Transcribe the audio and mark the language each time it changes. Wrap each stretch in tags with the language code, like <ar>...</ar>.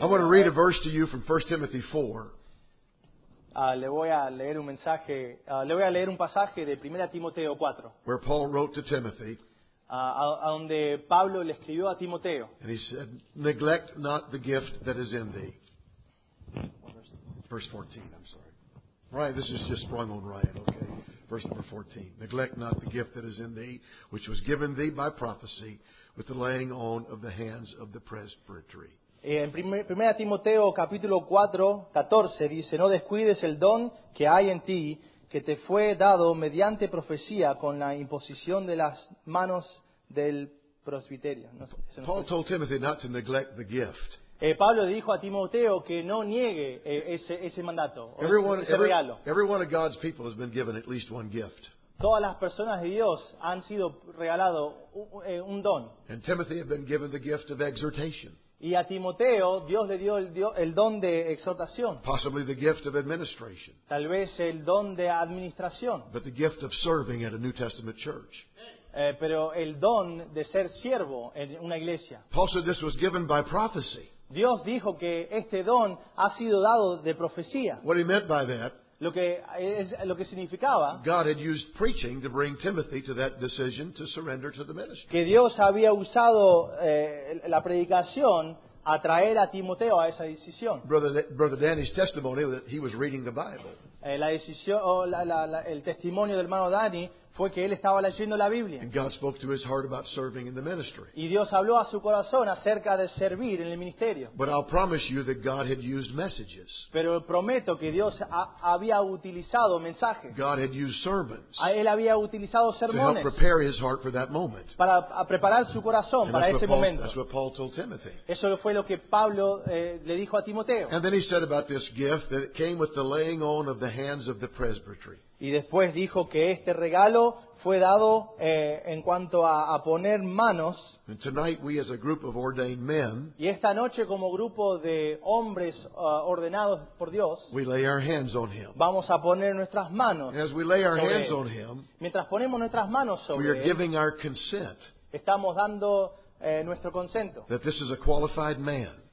<en>I want to read a verse to you from 1 Timothy 4.</en> <es>Le voy a leer un mensaje, le voy a leer un pasaje de 1 Timoteo 4.</es> <en>Where Paul wrote to Timothy.</en> <es>A donde Pablo le escribió a Timoteo.</es> <en>And he said, neglect not the gift that is in thee. Verse 14, I'm sorry. Right, this is just sprung on Ryan, okay. Verse number 14. Neglect not the gift that is in thee, which was given thee by prophecy, with the laying on of the hands of the presbytery.</en> <es>En 1 Timoteo capítulo 4, 14 dice, no descuides el don que hay en ti, que te fue dado mediante profecía con la imposición de las manos del presbiterio.</es> <en>Paul told Timothy not to neglect the gift.</en> <es>Pablo dijo a Timoteo que no niegue ese mandato, ese regalo.</es> <en>Every one of God's people has been given at least one gift.</en> <es>Todas las personas de Dios han sido regalado un don.</es> <en>And Timothy had been given the gift of exhortation.</en> <es>Y a Timoteo, Dios le dio el don de exhortación.</es> <en>Possibly the gift of administration.</en> <es>Tal vez el don de administración.</es> <en>But the gift of serving at a New Testament church.</en> <es>Pero el don de ser siervo en una iglesia.</es> <en>Paul said this was given by prophecy.</en> <es>Dios dijo que este don ha sido dado de profecía.</es> <en>What he meant by that.</en> <es>Lo que significaba,</es> <en>God had used preaching to bring Timothy to that decision to surrender to the ministry.</en> <es>Que Dios había usado la predicación a traer a Timoteo a esa decisión.</es> <en>Brother Danny's testimony that he was reading the Bible.</en> <es>El testimonio del hermano Danny fue que él estaba leyendo la Biblia.</es> <en>And God spoke to his heart about serving in the ministry.</en> <es>Y Dios habló a su corazón acerca de servir en el ministerio.</es> <en>But I'll promise you that God had used messages.</en> <es>Pero prometo que Dios había utilizado mensajes.</es> <en>God had used sermons.</en> <es>Él había utilizado sermones.</es> <en>To help prepare his heart for that moment.</en> <es>Para preparar su corazón para ese momento.</es> <en>That's what Paul told Timothy.</en> <es>Eso fue lo que Pablo le dijo a Timoteo.</es> <en>And then he said about this gift that it came with the laying on of the hands of the presbytery.</en> <es>Y después dijo que este regalo fue dado en cuanto a poner manos.</es> <en>And tonight we as a group of ordained men,</en> <es>y esta noche como grupo de hombres ordenados por Dios,</es> <en>we lay our hands on him.</en> <es>Vamos a poner nuestras manos.</es> <en>As we lay our hands on him,</en> <es>mientras ponemos nuestras manos sobre</es> <en>we are</en> <es>él,</es> <en>giving our consent,</en> <es>estamos dando nuestro consento.</es> <en>That this is a qualified man.</en>